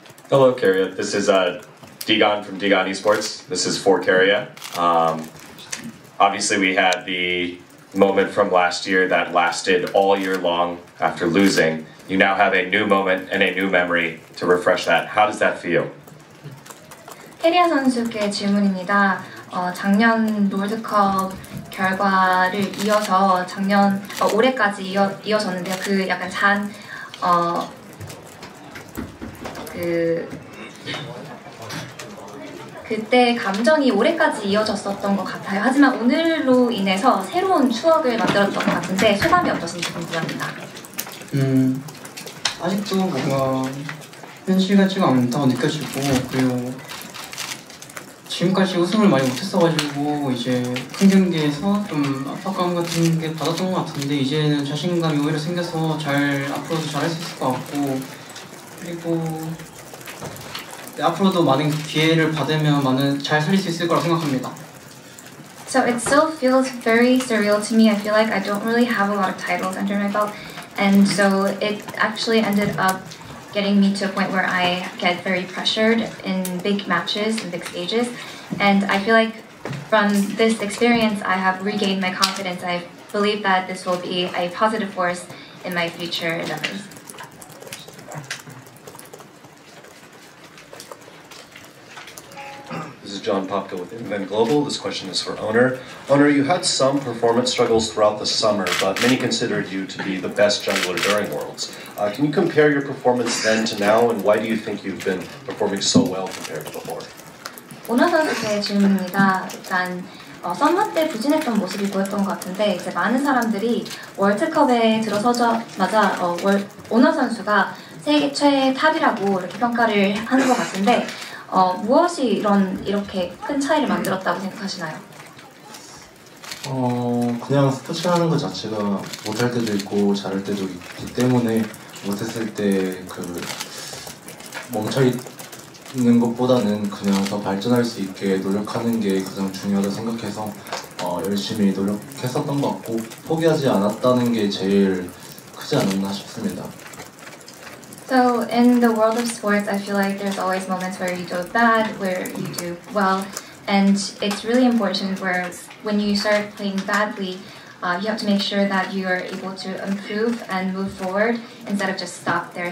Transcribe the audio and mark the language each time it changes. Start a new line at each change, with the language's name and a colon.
English: Hello, Kyria. This is Deegan from Deegan Esports. This is for Kyria. Obviously, we had the moment from last year that lasted all year long after losing. You now have a new moment and a new memory to refresh that. How does that feel?
Korean: 캐리아 선수께 질문입니다. 작년 롤드컵 결과를 이어서 작년 올해까지 이어졌는데 그 약간 잔 그 그때 감정이 올해까지 이어졌었던 것 같아요. 하지만 오늘로 인해서 새로운 추억을 만들었던 것 같은데 소감이 어떠신지 궁금합니다. 아직도 뭔가 현실 같지가 않다고 느껴지고 그리고 지금까지 우승을 많이 못했어가지고 이제 큰 경기에서 좀 압박감 같은 게 받았던 것 같은데 이제는 자신감이 오히려 생겨서 잘 앞으로도 잘할 수 있을 것 같고 그리고 네, 앞으로도 많은 기회를 받으면 많은 잘 살릴 수 있을 거라 생각합니다.
English: So it still feels very surreal to me. I feel like I don't really have a lot of titles under my belt. And so it actually ended up getting me to a point where I get very pressured in big matches and big stages. And I feel like from this experience, I have regained my confidence. I believe that this will be a positive force in my future endeavors. This is John Popka with InVent Global. This question is for Owner. Owner, you had some performance struggles throughout the summer, but many considered you to be the best jungler during Worlds. Can you compare your performance then to now, and why do you think you've been performing so well compared to before?
Korean: 오늘 선수의 질문입니다. 일단 썸머 때 부진했던 모습이 보였던 것 같은데 이제 많은 사람들이 월드컵에 들어서자마자 오너 선수가 세계 최 탑이라고 이렇게 평가를 하는 것 같은데 무엇이 이렇게 큰 차이를 만들었다고 생각하시나요? 그냥 스포츠라는 것 자체가 못할 때도 있고 잘할 때도 있기 때문에 못했을 때 그 멈춰 있는 것보다는 그냥 더 발전할 수 있게 노력하는 게 가장 중요하다고 생각해서 열심히 노력했었던 것 같고 포기하지 않았다는 게 제일 크지 않았나 싶습니다.
English: So in the world of sports, I feel like there's always moments where you do bad, where you do well, and it's really important where when you start playing badly, you have to make sure that you are able to improve and move forward instead of just stop there.